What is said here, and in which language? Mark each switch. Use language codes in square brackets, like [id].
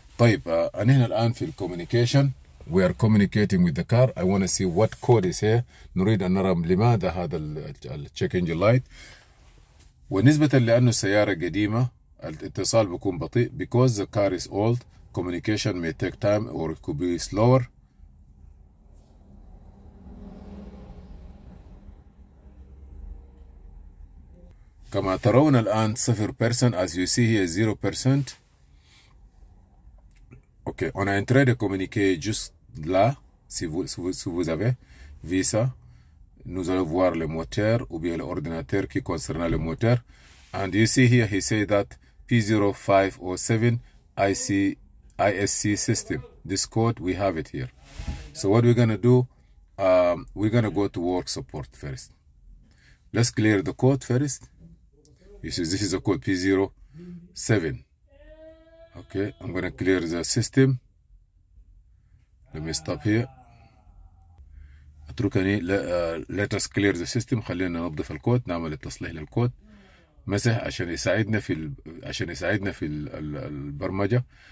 [ar] طيب أنا هنا الآن في الكوميونيكيشن. [en] We are communicating with the car. I want to see what code is here. [ar] نريد أن نرى لماذا هذا ال check engine light. ونسبة لأنه السيارة قديمة الاتصال بيكون بطيء. [en] Because the car is old, communication may take time or it could be slower. [ar] كما ترون الآن [en] 0%. As you see here 0%. Okay, on entry the communique just là si vous avez visa. [fr] Nous allons voir le moteur ou bien l'ordinateur qui concerne le moteur. [en] And you see here he say that P0507 ISC system. This code we have it here. So what we're gonna do, we're gonna go to work support first. Let's clear the code first. You see this is a code P07. Okay, I'm gonna clear the system. Let me stop here. [ar] أتركني [en] let us clear the system. [ar] خلينا ننظف الكود. نعمل التصليح للكود مسح عشان يساعدنا في البرمجة.